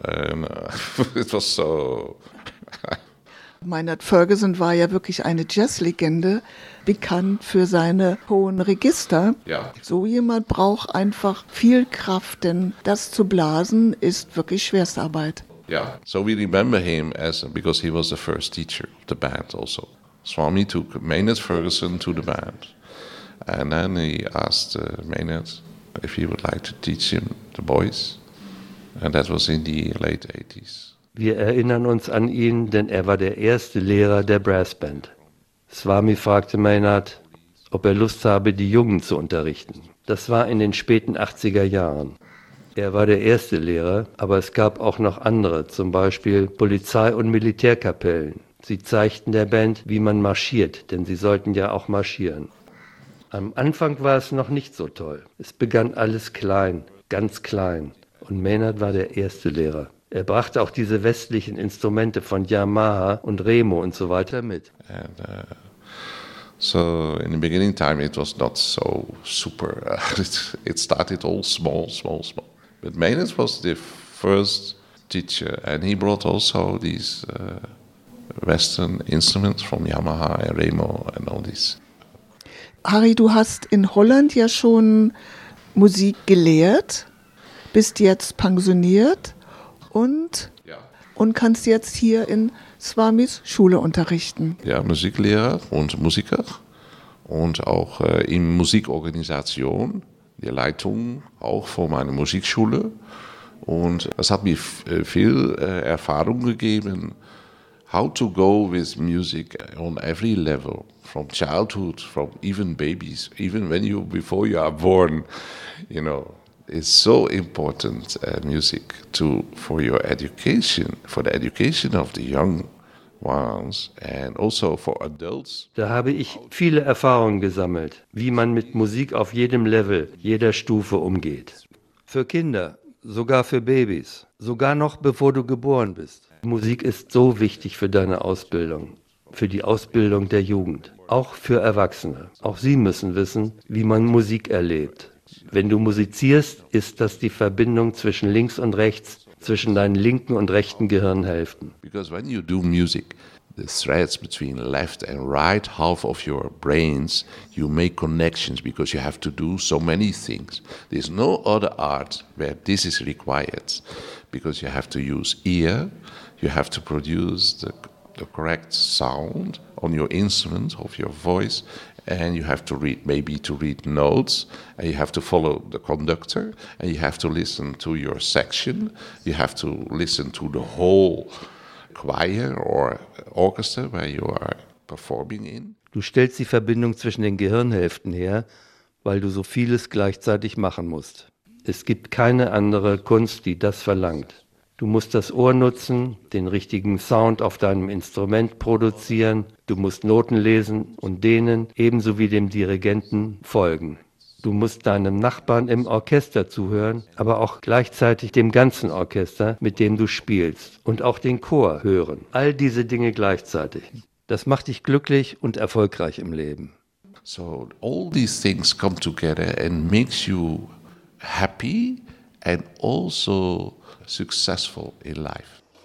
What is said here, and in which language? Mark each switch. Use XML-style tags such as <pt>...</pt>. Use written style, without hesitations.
<en>And it was so...</en> <de>Maynard Ferguson war ja wirklich eine Jazz-Legende, bekannt für seine hohen Register. Ja. So jemand braucht einfach viel Kraft, denn das zu blasen ist wirklich Schwerstarbeit.</de> <en>Ja, so we remember him as, because he was the first teacher of the band also. Swami took Maynard Ferguson to the band. And then he asked Maynard if he would like to teach him the boys. And that was in the late 80s.</en> <de>Wir erinnern uns an ihn, denn er war der erste Lehrer der Brassband. Swami fragte Maynard, ob er Lust habe, die Jungen zu unterrichten. Das war in den späten 80er Jahren. Er war der erste Lehrer, aber es gab auch noch andere, zum Beispiel Polizei- und Militärkapellen. Sie zeigten der Band, wie man marschiert, denn sie sollten ja auch marschieren. Am Anfang war es noch nicht so toll. Es begann alles klein, ganz klein. Und Maynard war der erste Lehrer. Er brachte auch diese westlichen Instrumente von Yamaha und Remo und so weiter mit.</de> <en>And, so in the beginning time it was not so super. It started all small. But Maynard was the first teacher and he brought also these western instruments from Yamaha and Remo and all this.</en> <de>Harry, du hast in Holland ja schon Musik gelehrt, bist jetzt pensioniert und kannst jetzt hier in Swamis Schule unterrichten. Ja, Musiklehrer und Musiker und auch in Musikorganisation, die Leitung auch von meiner Musikschule. Und es hat mir viel Erfahrung gegeben,</de> <en>how to go with music on every level, from childhood, from even babies, even when you, before you are born, you know. It's so important, music, to for your education, for the education of the young ones and also for adults.</en> <de>Da habe ich viele Erfahrungen gesammelt, wie man mit Musik auf jedem Level, jeder Stufe umgeht. Für Kinder, sogar für Babys, sogar noch bevor du geboren bist. Musik ist so wichtig für deine Ausbildung, für die Ausbildung der Jugend, auch für Erwachsene. Auch sie müssen wissen, wie man Musik erlebt. Wenn du musizierst, ist das die Verbindung zwischen links und rechts, zwischen deinen linken und rechten Gehirnhälften.</de> <en>Because when you do music, the threads between left and right half of your brains, you make connections because you have to do so many things. There's no other art where this is required, because you have to use ear, you have to produce the correct sound on your instrument of your voice. And you have to read, maybe to read notes, and you have to follow the conductor, and you have to listen to your section, you have to listen to the whole choir or orchestra where you are performing in.</en> <de>Du stellst die Verbindung zwischen den Gehirnhälften her, weil du so vieles gleichzeitig machen musst. Es gibt keine andere Kunst, die das verlangt. Du musst das Ohr nutzen, den richtigen Sound auf deinem Instrument produzieren. Du musst Noten lesen und denen, ebenso wie dem Dirigenten, folgen. Du musst deinem Nachbarn im Orchester zuhören, aber auch gleichzeitig dem ganzen Orchester, mit dem du spielst. Und auch den Chor hören. All diese Dinge gleichzeitig. Das macht dich glücklich und erfolgreich im Leben.</de> <en>So, all these things come together and makes you happy and also successful in life.</en>